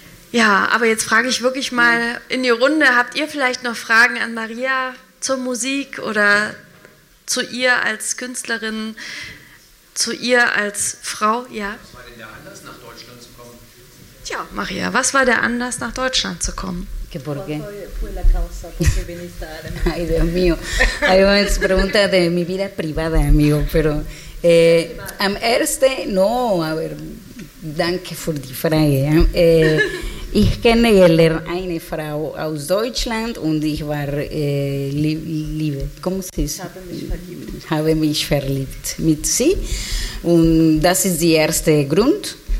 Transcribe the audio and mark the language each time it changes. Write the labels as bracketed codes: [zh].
[de] Ja, aber jetzt frage ich wirklich mal in die Runde, habt ihr vielleicht noch Fragen an Maria zur Musik oder zu ihr als Künstlerin, zu ihr als Frau? Ja. Tja, Maria, was war der Anlass, nach Deutschland zu kommen? [es] ¿Por qué? Ay, Dios mío. Hay una pregunta de mi vida privada, amigo. Pero [de] am erste, [es] no, a ver, [de] danke für die Frage. Ich kennengelernt eine Frau aus Deutschland und ich war liebe. [es] ¿Cómo se dice? [de] Habe mich verliebt. Habe mich verliebt mit sie. Und das ist der erste Grund.